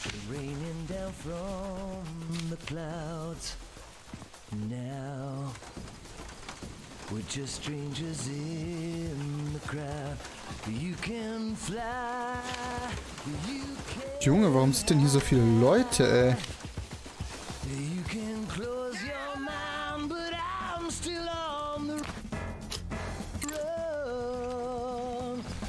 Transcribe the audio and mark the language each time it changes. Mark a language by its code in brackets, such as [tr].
[en] Raining down from the clouds. Now we're just strangers in the crowd. You can fly. You can. [de] Junge, warum sind denn hier so viele Leute, ey? [en] You can close your mind, but I'm still on the run.